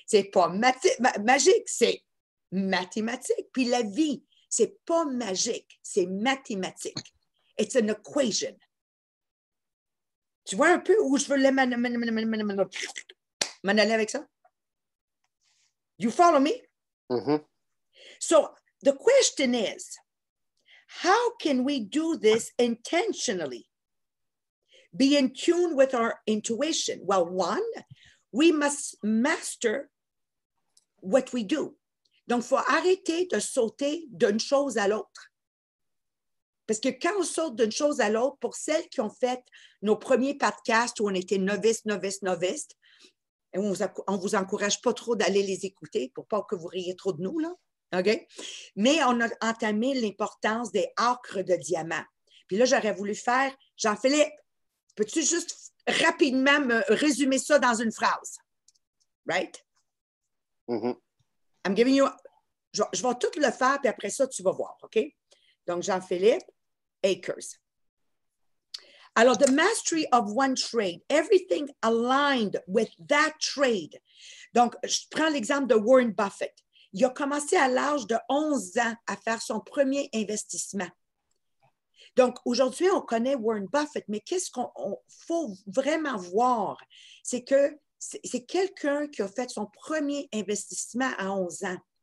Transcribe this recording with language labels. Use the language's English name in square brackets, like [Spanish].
[French] C'est pas magique, c'est mathématique. Puis la vie, c'est pas magique, c'est mathématique. [English] It's an equation. [French] Tu vois un peu où je veux m'en aller avec ça? [English] You follow me? Mm-hmm. So, the question is, how can we do this intentionally? Be in tune with our intuition. Well, one, we must master what we do. [French] Donc, il faut arrêter de sauter d'une chose à l'autre. Parce que quand on saute d'une chose à l'autre, pour celles qui ont fait nos premiers podcasts où on était novice, et on ne vous encourage pas trop d'aller les écouter pour pas que vous riez trop de nous, là. OK? Mais on a entamé l'importance des ancres de diamant. Puis là, j'aurais voulu faire, Jean-Philippe, peux-tu juste rapidement me résumer ça dans une phrase? [English] Right? Mm-hmm. I'm giving you... [French] Je vais tout le faire, puis après ça, tu vas voir, OK? Donc, Jean-Philippe, Acres. [English] Alors, the mastery of one trade, everything aligned with that trade. [French] Donc, je prends l'exemple de Warren Buffett. Il a commencé à l'âge de 11 ans à faire son premier investissement. Donc, aujourd'hui, on connaît Warren Buffett, mais qu'est-ce qu'on faut vraiment voir? C'est que c'est quelqu'un qui a fait son premier investissement à 11 ans.